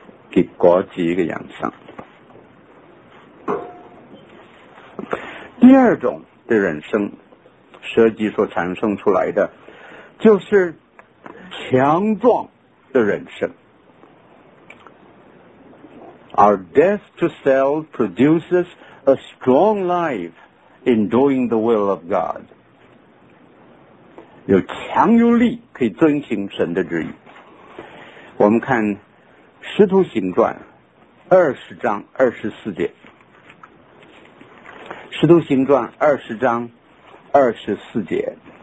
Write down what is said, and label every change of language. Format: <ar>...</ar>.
<zh>给果子一个养生。第二种的人生，舍己所产生出来的，就是强壮的人生。</zh> <en>Our death to self produces a strong life in doing the will of God.</en> <zh>有强有力可以遵行神的旨意。我们看《使徒行传》20章24节，《使徒行传》20章24节，</zh>